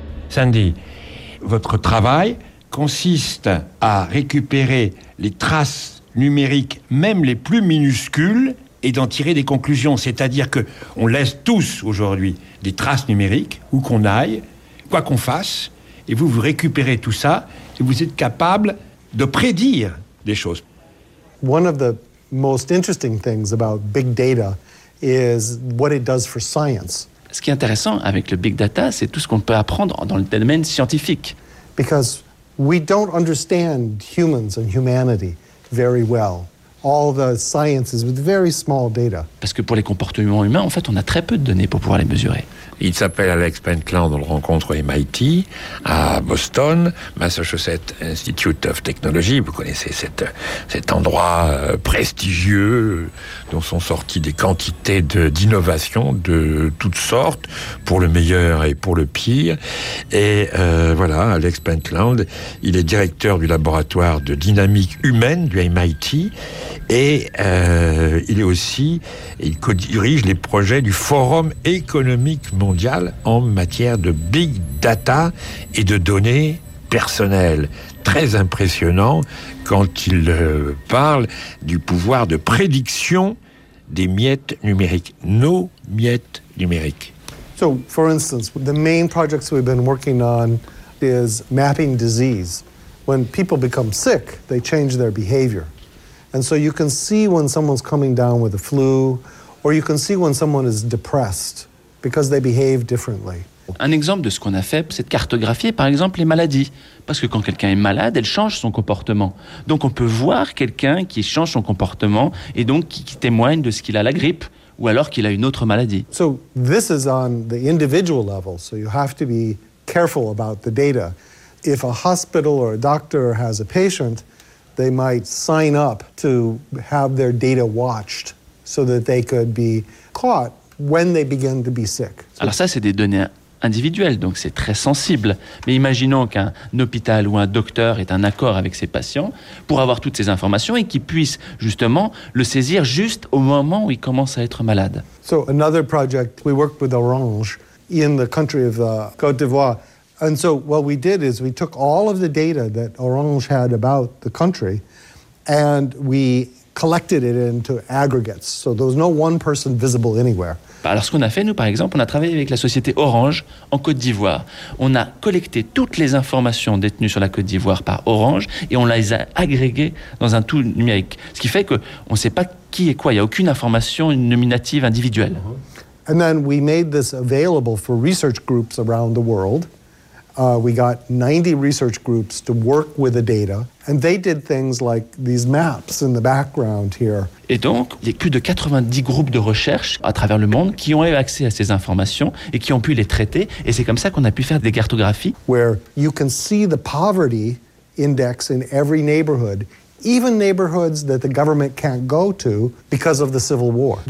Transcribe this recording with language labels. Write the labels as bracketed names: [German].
[French] Sandy, votre travail consiste à récupérer les traces numériques, même les plus minuscules, et d'en tirer des conclusions. C'est-à-dire que on laisse tous, aujourd'hui, des traces numériques, où qu'on aille, quoi qu'on fasse, et vous, vous récupérez tout ça, et vous êtes capable de prédire des choses. [English] One of the most interesting things about big data is what it does for science. [French] Ce qui est intéressant avec le big data, c'est tout ce qu'on peut apprendre dans le domaine scientifique. [English] Because we don't understand humans and humanity very well. All the sciences with very small data. [French] Parce que pour les comportements humains, en fait, on a très peu de données pour pouvoir les mesurer. Il s'appelle Alex Pentland, on le rencontre au MIT, à Boston, Massachusetts Institute of Technology. Vous connaissez cet endroit prestigieux dont sont sorties des quantités d'innovations de toutes sortes, pour le meilleur et pour le pire. Et voilà, Alex Pentland, il est directeur du laboratoire de dynamique humaine du MIT. Et il est aussi, il co-dirige les projets du Forum économique mondial en matière de big data et de données personnelles. Très impressionnant quand il parle du pouvoir de prédiction des miettes numériques, nos miettes numériques. [English] So, for instance, the main projects we've been working on is mapping disease. When people become sick, they change their behavior. And so you can see when someone's coming down with a flu, or you can see when someone is depressed, because they behave differently. [French] Un exemple de ce qu'on a fait, c'est de cartographier, par exemple, les maladies. Parce que quand quelqu'un est malade, elle change son comportement. Donc on peut voir quelqu'un qui change son comportement, et donc qui témoigne de ce qu'il a la grippe, ou alors qu'il a une autre maladie. [English] So this is on the individual level, so you have to be careful about the data. If a hospital or a doctor has a patient, they might sign up to have their data watched so that they could be caught when they begin to be sick. [French] Alors ça, c'est des données individuelles, donc c'est très sensible. Mais imaginons qu'un hôpital ou un docteur ait un accord avec ses patients pour avoir toutes ces informations et qu'il puisse justement le saisir juste au moment où il commence à être malade. [English] So another project, we worked with Orange in the country of Côte d'Ivoire. And so what we did is we took all of the data that Orange had about the country and we collected it into aggregates. So there was no one person visible anywhere. [French] Alors ce qu'on a fait, nous, par exemple, on a travaillé avec la société Orange en Côte d'Ivoire. On a collecté toutes les informations détenues sur la Côte d'Ivoire par Orange et on les a agrégées dans un tout numérique. Ce qui fait qu'on ne sait pas qui est quoi. Il n'y a aucune information nominative individuelle. [English] And then we made this available for research groups around the world. We got 90 research groups to work with the data, and they did things like these maps in the background here. [French] Et donc, il y a plus de 90 groupes de recherche à travers le monde qui ont eu accès à ces informations et qui ont pu les traiter, et c'est comme ça qu'on a pu faire des cartographies. [English] Where you can see the poverty index in every neighborhood, even neighborhoods that the government can't go to because of the civil war.